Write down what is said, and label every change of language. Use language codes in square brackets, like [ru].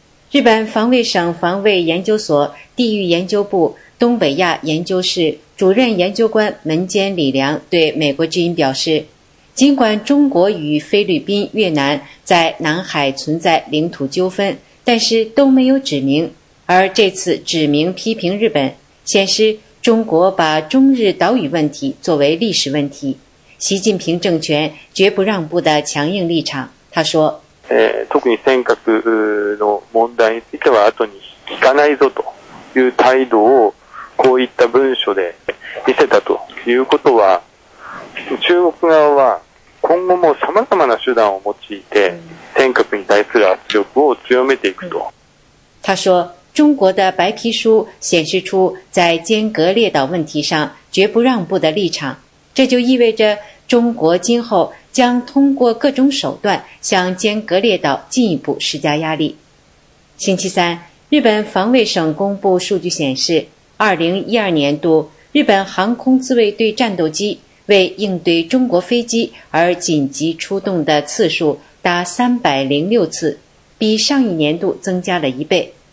[zh] 日本防卫省防卫研究所地域研究部东北亚研究室主任研究官门间李良对美国之音表示，尽管中国与菲律宾、越南在南海存在领土纠纷，但是都没有指明，而这次指明批评日本，显示中国把中日岛屿问题作为历史问题，习近平政权绝不让步的强硬立场。他说， [ja] 特に尖閣の問題については後に引かないぞという態度をこういった文書で見せたということは、中国側は今後も様々な手段を用いて、尖閣に対する圧力を強めていくと。 [zh] 他说，中国的白皮书显示出在尖阁列岛问题上绝不让步的立场，这就意味着中国今后将通过各种手段向尖阁列岛进一步施加压力。星期三，日本防卫省公布数据显示，2012年度日本航空自卫队战斗机为应对中国飞机而紧急出动的次数达306次，比上一年度增加了一倍。